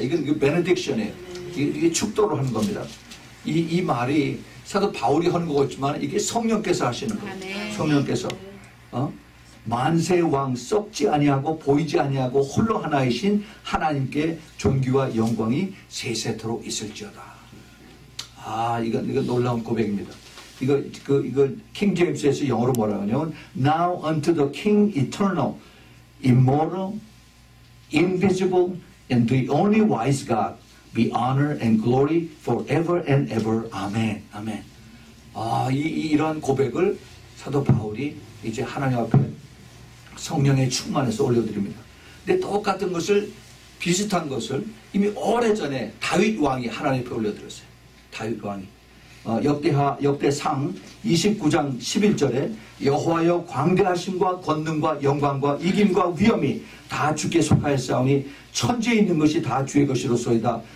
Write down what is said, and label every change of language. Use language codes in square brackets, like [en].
[ko] 이건 베네딕션이에요. 이게 축도를 하는 겁니다. 이 말이 사도 바울이 하는 거였지만 이게 성령께서 하시는 거예요. 성령께서 만세의 왕 썩지 아니하고 보이지 아니하고 홀로 하나이신 하나님께 존귀와 영광이 세세토록 있을지어다. 아 이거 놀라운 고백입니다. 이거 킹 제임스에서 영어로 뭐라 하냐면 [en] Now unto the King eternal, immortal, invisible, and the only wise God be honor and glory forever and ever. Amen. Amen. [ko] 이런 고백을 사도 바울이 이제 하나님 앞에 성령의 충만에서 올려드립니다. 근데 똑같은 것을 비슷한 것을 이미 오래전에 다윗 왕이 하나님 앞에 올려드렸어요. 다윗 왕이. 역대상 29장 11절에 여호와여 광대하심과 권능과 영광과 이김과 위엄이 다 주께 속하였사오니 천지에 있는 것이 다 주의 것이로소이다.